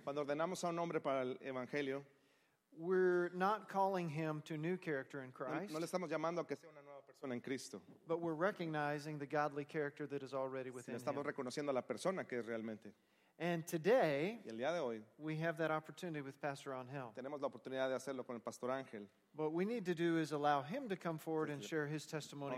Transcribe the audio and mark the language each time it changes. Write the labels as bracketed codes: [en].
[es] cuando ordenamos a un hombre para el evangelio, [en] we're not calling him to new character in Christ. [es] No le estamos llamando a que sea una nueva persona en Cristo. [en] But we're recognizing the godly character that is already within him. [es] Estamos reconociendo a la persona que es realmente. [en] And today, [es] y el día de hoy, [en] we have that opportunity with Pastor Angel. [es] Tenemos la oportunidad de hacerlo con el Pastor Ángel. [en] What we need to do is allow him to come forward and share his testimony